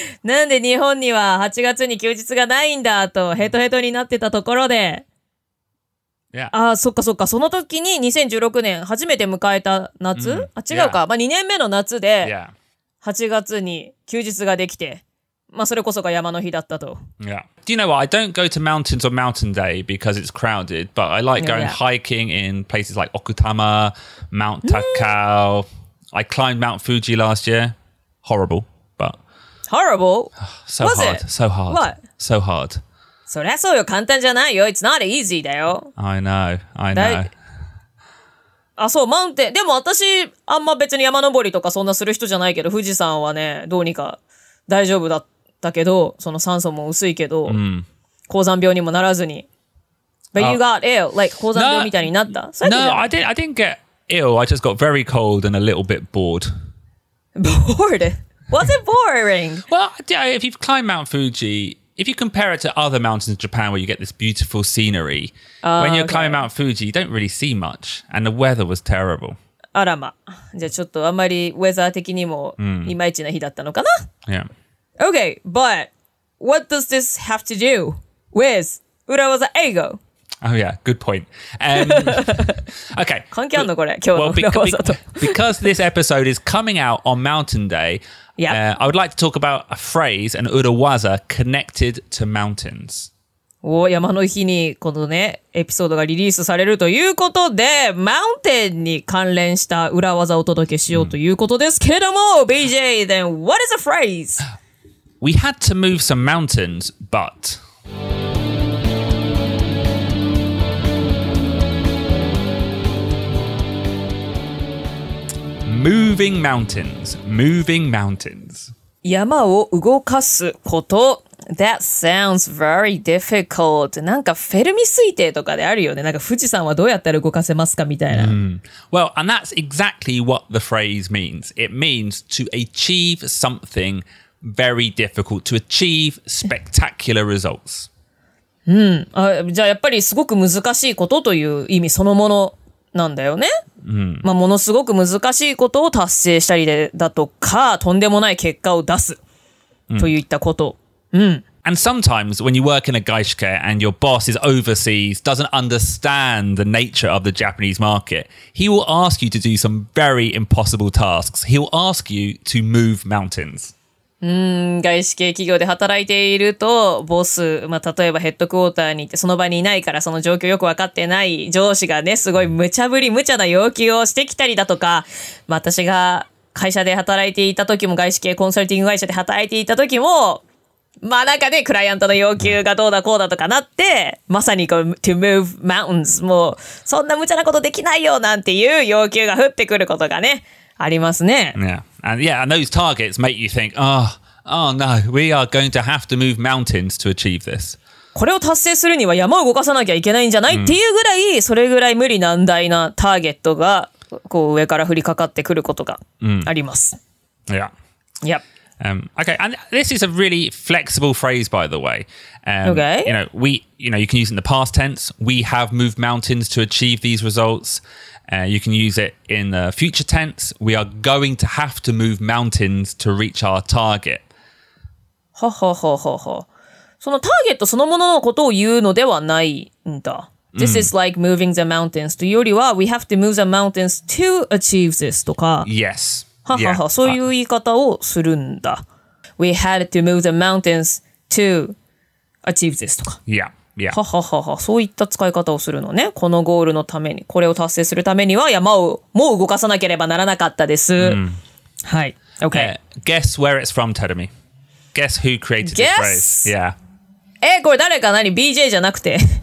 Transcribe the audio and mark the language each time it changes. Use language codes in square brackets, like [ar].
[ja] なんで日本には8月に休日がないんだとヘトヘトになってたところで。 [en] Yeah. [ja] あそっかそっか、その時に2016年初めて迎えた夏、mm. あ違うか、 [en] yeah. [ja] まあ2年目の夏で8月に休日ができて、まあそれこそが山の日だったと。 [en] Yeah. Do you know what? I don't go to mountains on mountain day because it's crowded, but I like going hiking in places like Okutama, Mount Takao. I climbed Mount Fuji last year. Horrible, but... Horrible? So hard, so hard. What? So hard. [ja] そりゃそうよ、簡単じゃないよ。 [en] It's not easy [ja] だよ。 [en] I know. [ja] あ、そう、マウンテン。でも私、あんま別に山登りとかそんなする人じゃないけど、富士山はね、どうにか大丈夫だったけど、その酸素も薄いけど、高山病にもならずに。 [en] But you got ill, like [ja] 高山病みたいになった。 [en] No, I didn't get ill. I just got very cold and a little bit bored. Bored? Was it boring? Well, yeah, if you've climbed Mount Fuji... If you compare it to other mountains in Japan where you get this beautiful scenery, when you're climbing Mount Fuji, you don't really see much. And the weather was terrible. [ja] あらま。じゃあちょっとあんまりウェザー的にもいまいちな日だったのかな? [en] Yeah. Okay, but what does this have to do with 裏技英語? Oh yeah, good point. okay. [ja] 関係あんのこれ、今日の裏技と。 [en] Because this episode is coming out on Mountain Day,I would like to talk about a phrase, an 裏技 connected to mountains. [ja] お、山の日にこのね、エピソードがリリースされるということで、マウンテンに関連した裏技をお届けしようということですけれども、BJ, [en] then what is a phrase? We had to move some mountains, but... Moving mountains. [ja] 山を動かすこと。 [en] That sounds very difficult. [ja] なんかフェルミ推定とかであるよね。なんか富士山はどうやったら動かせますかみたいな。 [en] Well, and that's exactly what the phrase means. It means to achieve something very difficult, to achieve spectacular results. [ja] あ、じゃあやっぱりすごく難しいことという意味そのものなんだよね。まあ、ものすごく難しいことを達成したりでだとか、とんでもない結果を出すといったこと。 [en] And sometimes when you work in a gaishike and your boss is overseas, doesn't understand the nature of the Japanese market, he will ask you to do some very impossible tasks. He'll ask you to move mountains. [ja] 外資系企業で働いていると、ボス、まあ、例えばヘッドクォーターに行ってその場にいないからその状況よく分かってない上司がね、すごい無茶ぶり無茶な要求をしてきたりだとか、まあ、私が会社で働いていた時も外資系コンサルティング会社で働いていた時も、まあなんかね、クライアントの要求がどうだこうだとかなって、まさにこう、 [en] to move mountains、 [ja] もうそんな無茶なことできないよなんていう要求が降ってくることがね、ありますね。 [en] And those targets make you think, oh no, we are going to have to move mountains to achieve this. [ja] これを達成するには山を動かさなきゃいけないんじゃない、うん、っていうぐらい、それぐらい無理難題なターゲットがこう上から降りかかってくることがあります。うん、yeah. [en] Yep. Okay. And this is a really flexible phrase, by the way. Okay. You know, you can use it in the past tense. We have moved mountains to achieve these results. You can use it in the future tense. We are going to have to move mountains to reach our target. ほほほほほ。 [ja] そのターゲットそのもののことを言うのではないんだ。 [en] This is like moving the mountains [ja] というよりは、 [en] we have to move the mountains to achieve this [ja] とか。 [en] Yes. [ja] ははは、そういう言い方をするんだ。 [en] We had to move the mountains to achieve this [ja] とか。 [en] Yeah. Yeah. [ja] ははははそういった使い方をするのね。このゴールのために、これを達成するためには山をもう動かさなければならなかったです。 [en] Mm. [ja] はい。 [en] Okay. Guess where it's from, Terumi. Guess who created this phrase. Guess? Yeah. [ja] これ誰か何 ?BJ じゃなくて。